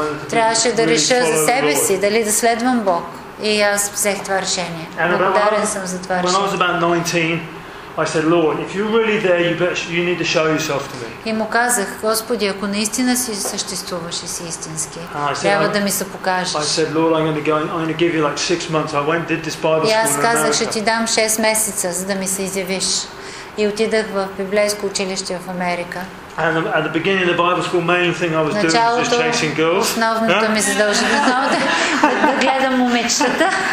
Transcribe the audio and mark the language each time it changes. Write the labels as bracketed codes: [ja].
[bg] Трябваше да реша за себе си дали да следвам Бог. И аз взех това решение. Благодарен съм за това решение. [en] When I was about 19, I said, Lord, if you're really there, you need to show yourself to me. [bg] И му казах, Господи, ако наистина си съществуваш и си истински, трябва да ми се покажеш. [en] I said, Lord, I'm going to give you like 6 months. I went did this Bible school. [bg] И аз казах, ще ти дам 6 месеца, за да ми се изявиш. И отидах в библейско училище в Америка. [en] And at the beginning of the Bible school, main thing I was [bg] началото, [en] doing was just chasing girls. [bg] Основното ми задължение е да гледам момичетата.